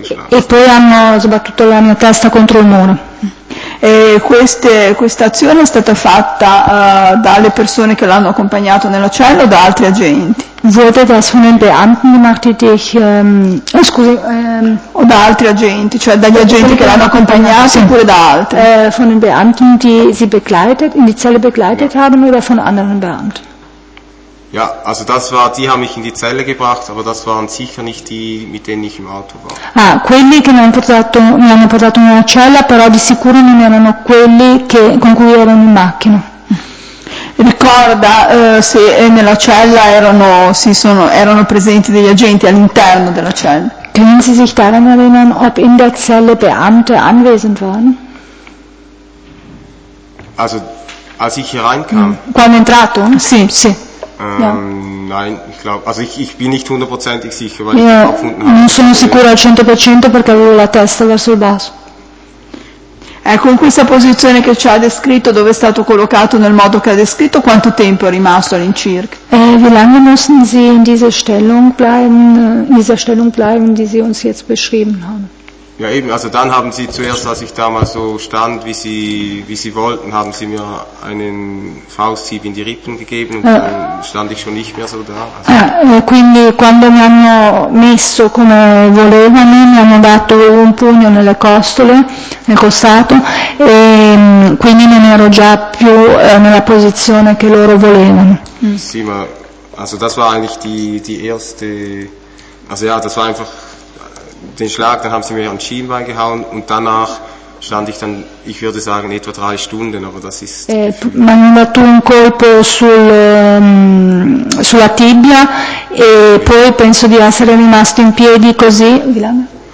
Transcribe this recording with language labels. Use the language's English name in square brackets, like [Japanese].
[Italian] E poi hanno sbattuto la mia testa contro il muro. E questa azione è stata fatta dalle persone che l'hanno accompagnato nella cella o da altri agenti? [German] Wurde das von den Beamten gemacht, die dich, [Italian] o da altri agenti, cioè dagli agenti che l'hanno accompagnato oppure da altri? [German] Von den Beamten, die sie begleitet, in die Zelle begleitet haben oder von anderen Beamten? Ja, also das war, die haben mich in die Zelle gebracht, aber das waren sicher nicht die, mit denen ich im Auto war. [Italian] Ah, quelli che mi hanno portato nella cella, però di sicuro non erano quelli che, con cui erano in macchina. Ricorda se nella cella erano presenti degli agenti all'interno della cella. [German] Können Sie sich daran erinnern, ob in der Zelle Beamte anwesend waren? Also, als ich hier reinkam. [Italian] Quando è entrato? Sì, sì. [German] Nein, ich glaube, also ich bin nicht hundertprozentig sicher, weil ich ihn gefunden habe. [Italian] Non sono sicuro al 100% perché avevo la testa verso il basso. Ecco, in questa posizione che ci ha descritto, dove è stato collocato nel modo che ha descritto, quanto tempo è rimasto all'incirca? [German] Wie lange mussten Sie in dieser Stellung bleiben, die Sie uns jetzt beschrieben haben? Ja eben, also dann haben Sie zuerst, als ich da mal so stand, wie Sie wollten, haben Sie mir einen Fausthieb in die Rippen gegeben und dann stand ich schon nicht mehr so da. [Italian] Quindi quando mi hanno messo come volevano, mi hanno dato un pugno nelle costole, nel costato, e quindi non ero già più nella posizione che loro volevano. Sì, ma [German] also das war eigentlich die erste, also ja, das war einfach den Schlag, dann haben sie mir ein Schienbein gehauen und danach stand ich dann, ich würde sagen, etwa 3 Stunden, aber das ist... [Italian] Mi hanno dato un colpo sulla tibia e poi penso di essere rimasto in piedi così, [German] wie lange?